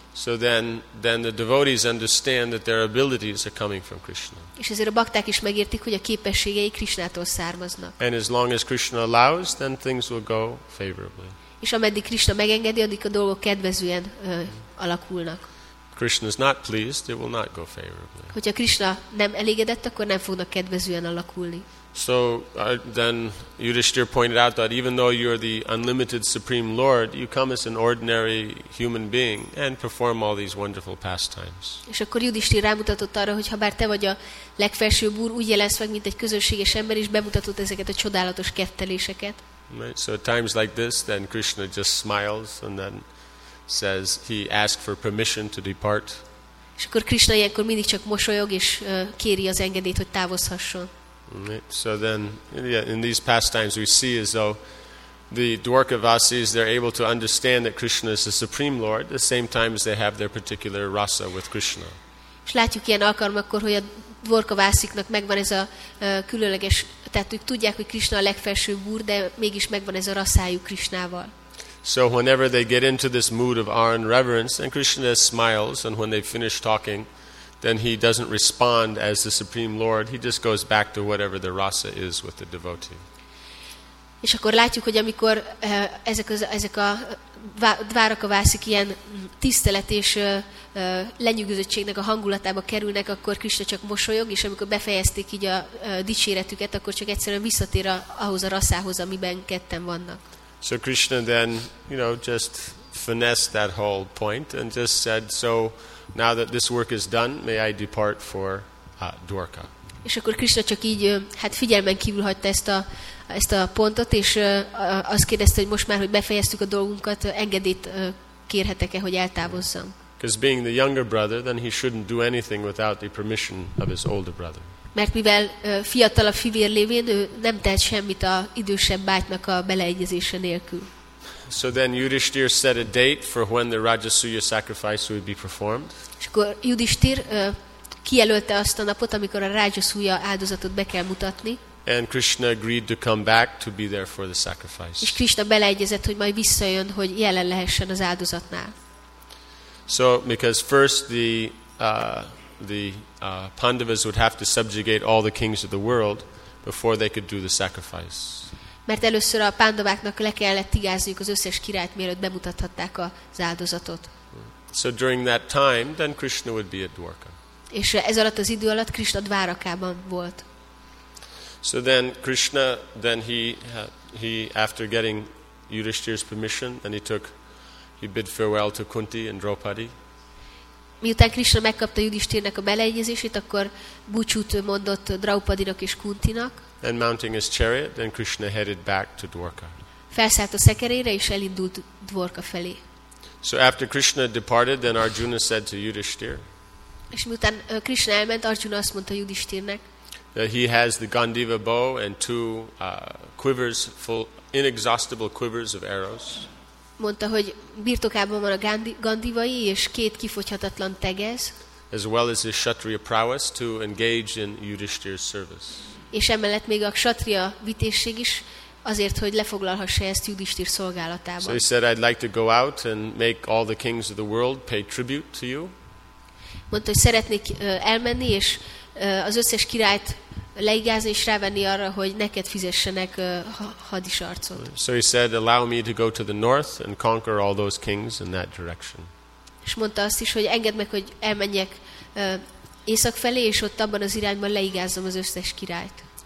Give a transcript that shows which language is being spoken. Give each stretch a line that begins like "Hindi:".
English: So then the devotees understand that their abilities are coming from Krishna.
Hungarian: És ezért a bakták is megértik, hogy a képességei Krishnától származnak.
English: And as long as Krishna allows, then things will go favorably.
Hungarian: És ameddig Krishna megengedi, addig a dolgok kedvezően alakulnak.
English: Krishna is not pleased, it will not go favorably.
Hungarian: Hogyha Krishna nem elégedett, akkor nem fognak kedvezően alakulni.
English: So then Yudhishthira pointed out that even though you are the unlimited supreme lord, you come as an ordinary human being and perform all these wonderful pastimes.
Hungarian: És akkor Yudhishthira rámutatott arra, hogy ha bár te vagy a legfelsőbb úr, úgy jelensz meg, mint egy közönséges ember, és bemutatott ezeket a csodálatos ketteléseket.
English: Right? So at times like this, then Krishna just smiles and then says he asked for permission to depart.
Hungarian: És akkor Krishna ilyenkor mindig csak mosolyog és kéri az engedélyt, hogy távozhasson.
English: Right. So then, yeah, in these pastimes we see as though the Dwarkavasis, they're able to understand that Krishna is the supreme lord, the same time as they have their particular rasa with Krishna.
Hungarian: És látjuk ilyen alkalmakkor, hogy a Dvorkavásziknak megvan ez a különleges, tehát ők tudják, hogy Krishna a legfelsőbb úr, de mégis megvan ez a rasszájuk Krishnával.
English: So whenever they get into this mood of awe and reverence, then Krishna smiles, and when they finish talking, then he doesn't respond as the Supreme Lord. He just goes back to whatever the rasa is with the devotee.
Hungarian: És akkor látjuk, hogy amikor ezek a Dvarakavasik ilyen tisztelet és lenyűgözöttségnek a hangulatába kerülnek, akkor Krishna csak mosolyog, és amikor befejezték így a dicséretüket, akkor csak egyszerűen visszatér ahhoz a rasszához, amiben ketten vannak.
English: So Krishna then, you know, just finessed that whole point and just said, so now that this work is done, may I depart for Dwarka.
Hungarian: És akkor Krishna csak így, hát figyelmen kívül hagyta ezt a pontot, és azt kérdezte, hogy most már, hogy befejeztük a dolgunkat, engedélyt kérhetek-e, hogy eltávozzam.
English: Because being the younger brother, then he shouldn't do anything without the permission of his older brother.
Hungarian: Mert mivel fiatalabb fivér lévén, ő nem tehet semmit a idősebb bátynak a beleegyezése nélkül.
English: So then Yudhishthir set a date for when the Rajasuya sacrifice would be performed.
Hungarian: És akkor Yudhishthir kijelölte azt a napot, amikor a Rajasuya áldozatot be kell mutatni.
English: And Krishna agreed to come back to be there for the sacrifice.
Hungarian: És Krishna beleegyezett, hogy majd visszajön, hogy jelen lehessen az áldozatnál.
English: So because first the Pandavas would have to subjugate all the kings of the world before they could do the sacrifice.
Hungarian: Mert először a pandaváknak le kellett igázniuk az összes királyt, mielőtt bemutathatták az áldozatot.
English: So during that time, then Krishna would be at Dwarka.
Hungarian: És ez alatt az idő alatt Krishna Dvárakában volt.
English: So then Krishna, then he after getting Yudhishthira's permission, then he bid farewell to Kunti and Draupadi.
Hungarian: Miután Krishna megkapta Yudhishthirnek a beleegyezését, akkor búcsút mondott Draupadinak és Kuntinak.
English: And mounting his chariot, then Krishna headed back to Dwarka.
Hungarian: Felszállt a szekerére és elindult Dwarka felé.
English: So after Krishna departed, then Arjuna said to Yudhishthir.
Hungarian: És miután Krishna elment, Arjuna azt mondta Yudhishthirnek.
English: That he has the Gandiva bow and two quivers, full inexhaustible quivers of arrows.
Hungarian: Mondta, hogy birtokában van a gandivai és két kifogyhatatlan tegez.
English: As well as his kshatriya prowess to engage in Yudhishthira's service.
Hungarian: És emellett még a kshatriya vitészség is azért, hogy lefoglalhassa ezt Yudhishthir szolgálatában.
English: So he said, I'd like to go out and make all the kings of the world pay tribute to you.
Hungarian: Mondta, hogy szeretnék elmenni és az összes királyt leigázni és rávenni arra, hogy neked fizessenek hadisarcot.
English: So he said, allow me to go to the north and conquer all those kings in that direction.
Hungarian: És mondta azt is, hogy engedd meg, hogy elmenjek észak felé, és ott abban az irányban leigázzam az összes királyt.